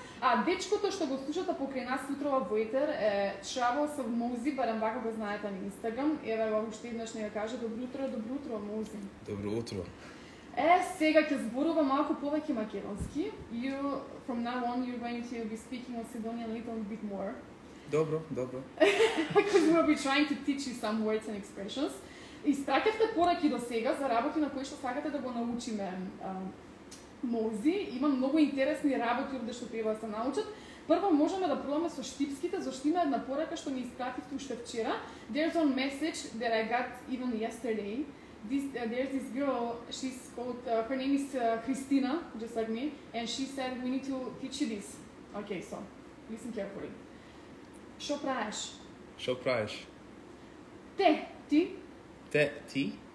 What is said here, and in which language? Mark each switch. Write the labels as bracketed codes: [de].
[mk] А дечкото што го слушате покрај нас утрово во етер е Travels of Mozi, барам вако го знаете на Инстаграм. Ева го уште еднаш не ја кажа, добро утро, Mozi. Добро утро. Е, сега ќе зборува малку повеќе македонски. [en] You, from now on, you're going to be speaking Macedonian a little bit more. [mk] Добро. [en] Because we'll be trying to teach you some words and expressions. [mk] Испратевте пораки до сега за работи на кои што сакате да го научиме Mozi. Има многу интересни работи овде што треба да се научат. Прво можеме да пробаме со штипските, зашто има една порака што ми испративте уште вчера. [en] There's one message that I got even yesterday. there's this girl, she's called, her name is Christina, just like me, and she said, we need to teach you this. Okay, so, listen carefully. [mk] Sopraješ. Sopraješ. Te, ti. Te, ti.